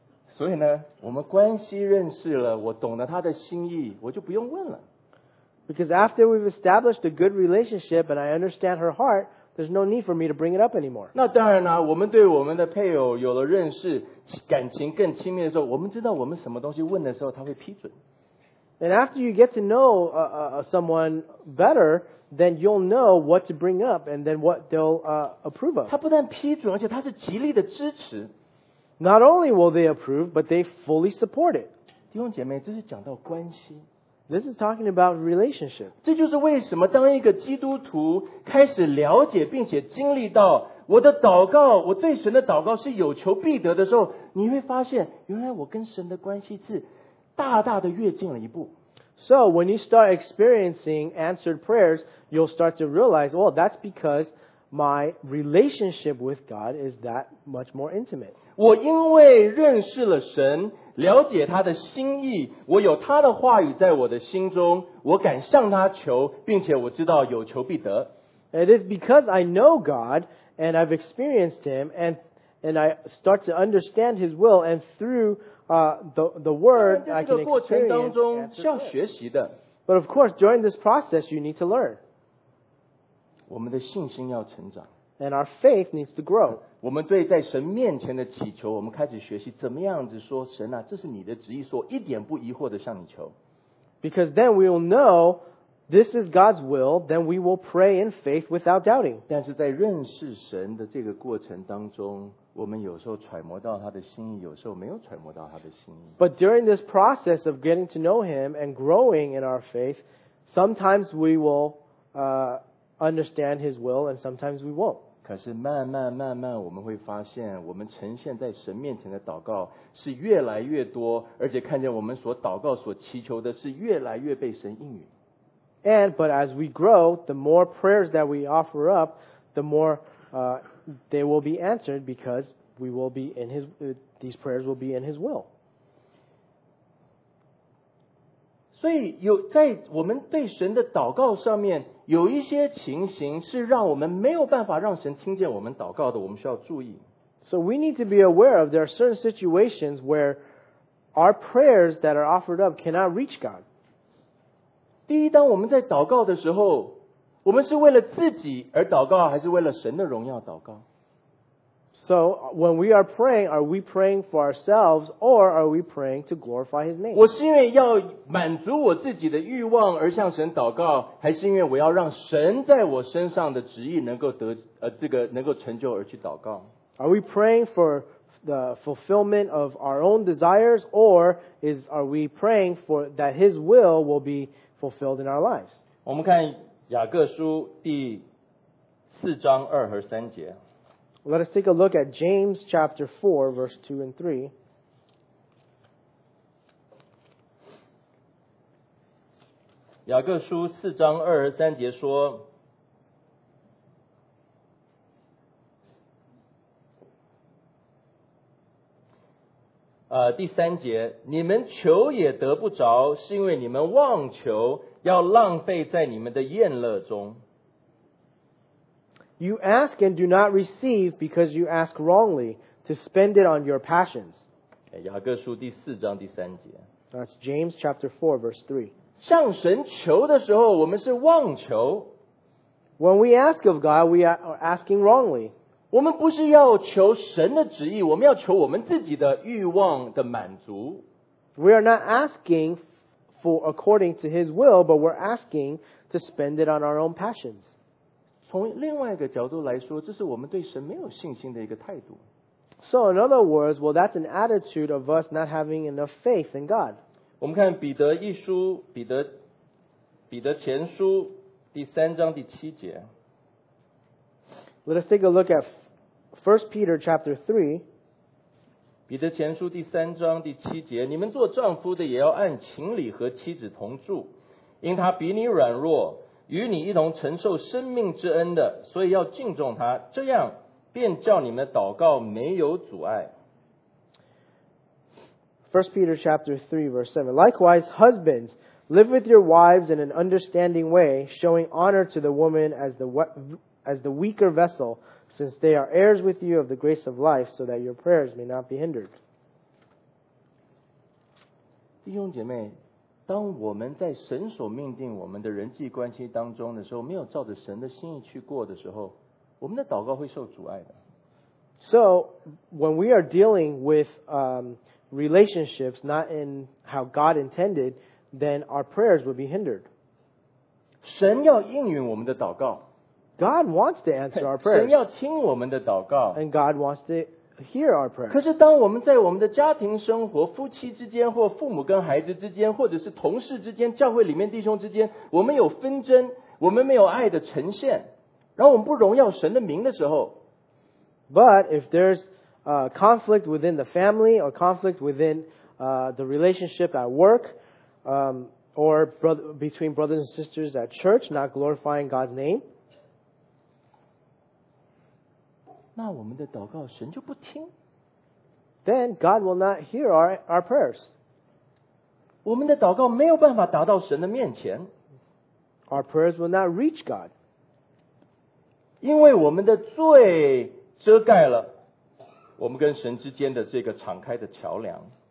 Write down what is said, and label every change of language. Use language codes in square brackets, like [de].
[zh] 所以呢，我们关系认识了，我懂得他的心意，我就不用问了。 [en] Because after we've established a good relationship and I understand her heart, there's no need for me to bring it up anymore. [zh] 那当然了，我们对我们的配偶有了认识，感情更亲密的时候，我们知道我们什么东西问的时候，他会批准。 [en] And after you get to know someone better, then you'll know what to bring up and then what they'll approve of. [zh] 他不但批准，而且他是极力的支持。 [en] Not only will they approve, but they fully support it. [zh] 弟兄姐妹，这是讲到关系。 [en] This is talking about relationship. [zh] 这就是为什么当一个基督徒开始了解并且经历到我的祷告，我对神的祷告是有求必得的时候，你会发现原来我跟神的关系是大大的越近了一步。 [en] So when you start experiencing answered prayers, you'll start to realize, well, that's because my relationship with God is that much more intimate. [zh] 我因为认识了神，了解他的心意，我有他的话语在我的心中，我敢向他求，并且我知道有求必得。 [en] It is because I know God and I've experienced Him and I start to understand His will and through the word I can experience. But of course, during this process, you need to learn. [zh] 我们的信心要成长。 [en] And our faith needs to grow. [zh] 我们对在神面前的祈求，我们开始学习怎么样子说神啊，这是你的旨意，说一点不疑惑的向你求。 [en] Because then we will know this is God's will, then we will pray in faith without doubting. [zh] 但是在认识神的这个过程当中，我们有时候揣摩到他的心意，有时候没有揣摩到他的心意。 [en] But during this process of getting to know him and growing in our faith, sometimes we will understand his will and sometimes we won't. [zh] 可是慢慢慢慢我们会发现，我们呈现在神面前的祷告是越来越多，而且看见我们所祷告所祈求的是越来越被神应允。 [en] But as we grow, the more prayers that we offer up, the more they will be answered because we will be in His, these prayers will be in His will. [zh] 所以有在我们对神的祷告上面，有一些情形是让我们没有办法让神听见我们祷告的，我们需要注意。 [en] So we need to be aware of there are certain situations where our prayers that are offered up cannot reach God. [zh] 第一，当我们在祷告的时候，我们是为了自己而祷告，还是为了神的荣耀祷告？ [en] So, when we are praying, are we praying for ourselves, or are we praying to glorify His name? [zh] 我是因为要满足我自己的欲望而向神祷告，还是因为我要让神在我身上的旨意能够得，这个能够成就而去祷告？ [en] Are we praying for the fulfillment of our own desires, or is, are we praying for that His will be fulfilled in our lives. [zh] 我们看雅各书第四章二和三节。 [en] Let us take a look at James chapter 4, verse 2 and 3. [zh] 雅各书四章二和三节说，第三节，你们求也得不着，是因为你们妄求，要浪费在你们的宴乐中。 [en] You ask and do not receive because you ask wrongly to spend it on your passions. [zh] 雅各书第四章第三节。 [en] That's James chapter 4, verse 3. [zh] 向神求的时候，我们是妄求。 [en] When we ask of God, we are asking wrongly. [zh] 我们不是要求神的旨意，我们要求我们自己的欲望的满足。 [en] We are not asking for according to His will, but we're asking to spend it on our own passions. [zh] 从另外一个角度来说，这是我们对神没有信心的一个态度。 [en] So in other words, well, that's an attitude of us not having enough faith in God. [zh] 我们看彼得一书，彼得前书第三章第七节。 [en] Let us take a look at 1 Peter chapter 3. [zh] 彼得前书第三章第七节，你们做丈夫的也要按情理和妻子同住，因他比你软弱，与你一同承受生命之恩的，所以要敬重他，这样便叫你们祷告没有阻碍。 [en] 1 Peter chapter 3 verse 7. Likewise, husbands, live with your wives in an understanding way, showing honor to the woman as the as the weaker vessel, since they are heirs with you of the grace of life, so that your prayers may not be hindered. [zh] 弟兄姐妹，当我们在神所命定我们的人际关系当中的时候，没有照着神的心意去过的时候，我们的祷告会受阻碍的。 [en] So, when we are dealing with relationships not in how God intended, then our prayers will be hindered. [zh] 神要应允我们的祷告。 [en] God wants to answer our prayers. [zh] 神要听我们的祷告。 [en] And God wants to hear our prayers. [zh] 可是当我们在我们的家庭生活，夫妻之间，或父母跟孩子之间，或者是同事之间，教会里面弟兄之间，我们有纷争，我们没有爱的呈现，然后我们不荣耀神的名的时候。 [en] But if there's a conflict within the family, or conflict within the relationship at work, or between brothers and sisters at church, not glorifying God's name, [zh] 那我们的祷告神就不听。 [en] Then God will not hear our prayers. [zh] 我们的祷告没有办法达到神的面前。 [en] Our prayers will not reach God. [zh] 因为我们的罪遮盖了我们跟神之间的这个敞开的桥梁。